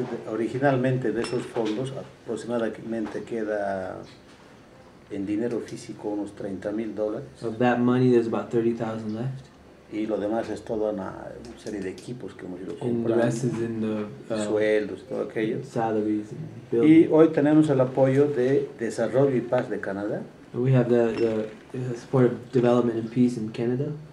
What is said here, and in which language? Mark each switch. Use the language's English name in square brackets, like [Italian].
[Spanish] Originalmente de esos fondos, aproximadamente queda en dinero físico unos $30,000. [English] Of that money, there's about $30,000 left. [Spanish] Y lo demás es todo una serie de equipos que hemos ido comprando. [English] And the rest is in the [Spanish] sueldos, todo aquello. [English] Salaries and [Spanish] building. Y hoy tenemos el apoyo de Desarrollo y Paz de Canadá. [English] We have the support of Development and Peace in Canada.